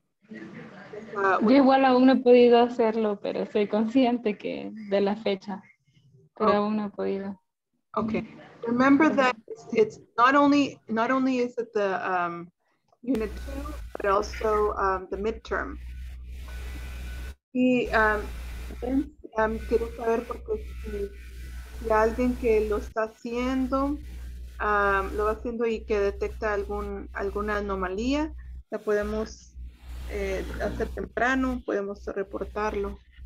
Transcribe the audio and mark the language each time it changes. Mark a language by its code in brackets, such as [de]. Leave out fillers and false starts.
[es] Yo igual aún no he podido hacerlo, pero soy consciente que de la fecha, pero aún no he podido. [en] Okay. Remember that it's not only is it the unit two, but also the midterm. [es] Y quiero saber porque si alguien que lo está haciendo, lo va haciendo y que detecta alguna anomalía, la podemos hacer temprano, podemos reportarlo.